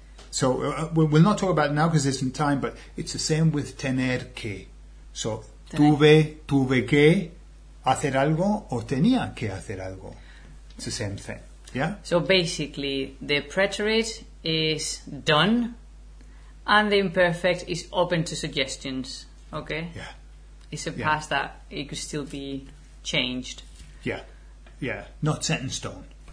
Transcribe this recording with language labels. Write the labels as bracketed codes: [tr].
[en] So we'll not talk about it now because there isn't time, but it's the same with tener que. [es] So tuve que hacer algo o tenía que hacer algo. [en] It's the same thing. Yeah? So basically, the preterite is done and the imperfect is open to suggestions. Okay? Yeah. It's a past that it could still be changed. Yeah. Yeah. Not set in stone.